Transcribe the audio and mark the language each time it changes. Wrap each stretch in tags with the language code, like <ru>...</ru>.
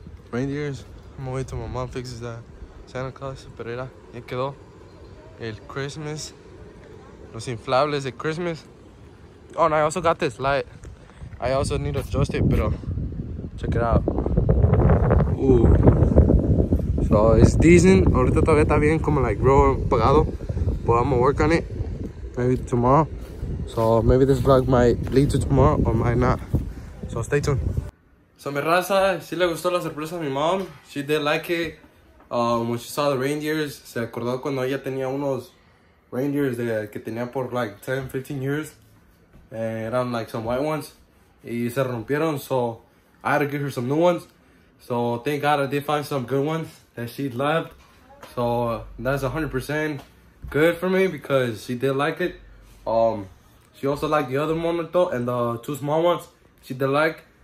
<en>Reindeers. I'm gonna wait till my mom fixes that. Santa Claus, Pereira,</en> <es>ya quedó.</es> <en>El Christmas.</en> <es>Los inflables de Christmas.</es> <en>Oh, and I also got this light. I also need to adjust it, pero check it out. Ooh. So it's decent.</en> <es>Ahorita todavía está bien, como like grow apagado.</es> <en>But I'm gonna work on it. Maybe tomorrow. So maybe this vlog might lead to tomorrow or might not. So stay tuned. So</en> <es>mi raza, si le gustó la sorpresa a mi</es> <en>mom. She did like it. When she saw the reindeers,</en> <es>se acordó cuando ella tenía unos</es> <en>reindeers que tenía por like 10, 15 years. And eran like some white ones.</en> <es>Y se rompieron,</es> <en>so I had to get her some new ones. So thank God I did find some good ones that she loved. So that's 100% good for me because she did like it. She also liked the other monito and the two small ones she did like.</en>